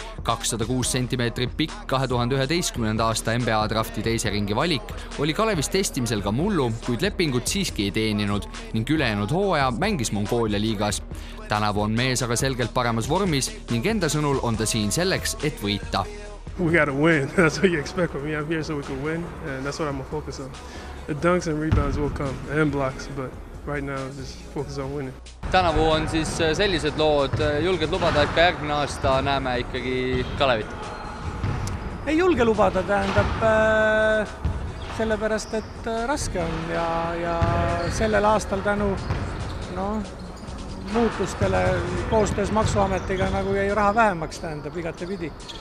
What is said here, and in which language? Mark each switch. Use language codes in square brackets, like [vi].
[et] 206 sentimeetrit pikk 2011. aasta NBA drafti teise ringi valik oli Kalevis testimisel ka mullu, kuid lepingut siiski ei teeninud ning ülejäänud hooaja mängis Mongoolia liigas. Tänavu on mees aga selgelt paremas vormis ning enda sõnul on ta siin selleks, et võita. [en] We gotta win. That's what you expect from me. I'm here so we can win, and that's what I'm gonna focus on. The dunks and rebounds will come, and blocks, but right now just focus on winning. [et] Tänavu on siis sellised lood. Julged lubada, et ka järgmine aasta näeme ikkagi Kalevit? Ei julge lubada, tähendab sellepärast, et raske on ja sellel aastal tänu no, muutustele koostöös maksuametiga nagu jäi raha vähemaks, tähendab igate pidi.